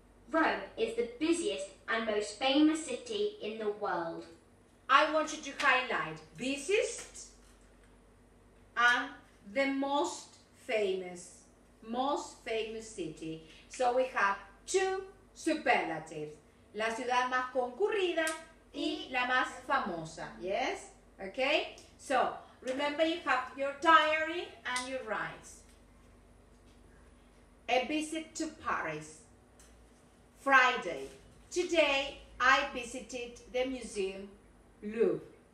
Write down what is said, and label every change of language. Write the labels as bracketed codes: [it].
[en] Rome is the busiest and most famous city in the world. I want you to highlight busiest and the most famous city. So we have 2 superlatives. [es] La ciudad más concurrida y la más famosa. [en] Yes? Okay? So, remember you have your diary and your rights. A visit to Paris. Friday. Today, I visited the museum Louvre.